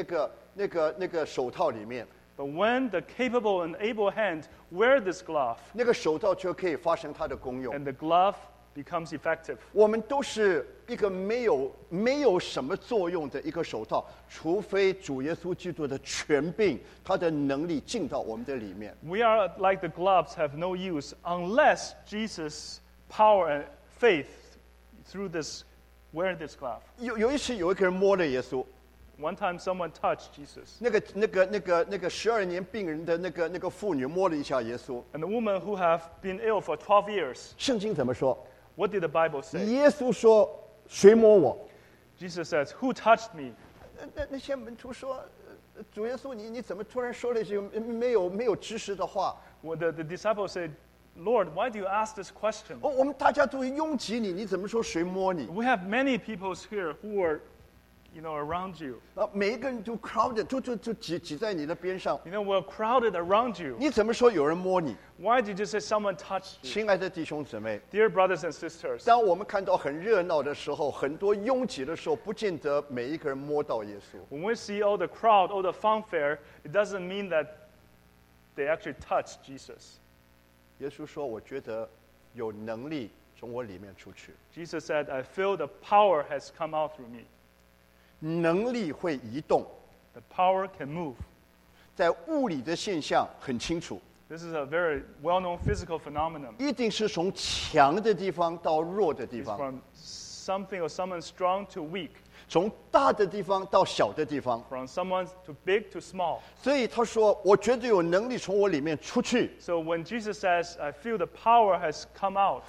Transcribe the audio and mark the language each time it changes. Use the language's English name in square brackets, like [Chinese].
[Chinese] 但是什么时候那个有力的手穿在那个手套里面, [English] but when the capable and able hand wear this glove, [Chinese] 那个手套就可以发生它的功用, [English] and the glove becomes effective. [Chinese] 我们都是一个没有什么作用的一个手套, 除非主耶稣基督的权柄, 祂的能力进到我们的里面。 [English] We are like the gloves have no use unless Jesus' power and faith through this, wear this glove. [Chinese] 有一次有一个人摸了耶稣, [English] one time someone touched Jesus. [Chinese] 那个12年病人的那个妇女摸了一下耶稣, [English] and the woman who have been ill for 12 years. [Chinese] 圣经怎么说? [English] What did the Bible say? [Chinese] 耶稣说, 谁摸我? [English] Jesus says, who touched me? [Chinese] 那些门徒说, 主耶稣, 你怎么突然说了这个没有知识的话? [English] Well, the disciples said, Lord, why do you ask this question? [Chinese] 我们大家都拥挤你, 你怎么说谁摸你? [English] We have many people here who are, you know, around you. [Chinese] 每一个人都crowded, 都挤在你的边上。 [English] You know, we're crowded around you. [Chinese] 你怎么说有人摸你? [English] Why did you say someone touched you? [Chinese] 亲爱的弟兄姊妹, [English] dear brothers and sisters, [Chinese] 当我们看到很热闹的时候, 很多拥挤的时候, 不见得每一个人摸到耶稣。 [English] When we see all the crowd, all the fanfare, it doesn't mean that they actually touched Jesus. [Chinese] 耶稣说, 我觉得有能力从我里面出去。 [English] Jesus said, I feel the power has come out through me. [Chinese] 能力会移动。 [English] The power can move. [Chinese] 在物理的现象很清楚。 [English] This is a very well-known physical phenomenon. [Chinese] 一定是从强的地方到弱的地方。 [English] It's from something or someone strong to weak. [Chinese] 从大的地方到小的地方。 [English] From someone to big to small. [Chinese] 所以他说, 我觉得有能力从我里面出去。 [English] So when Jesus says, I feel the power has come out.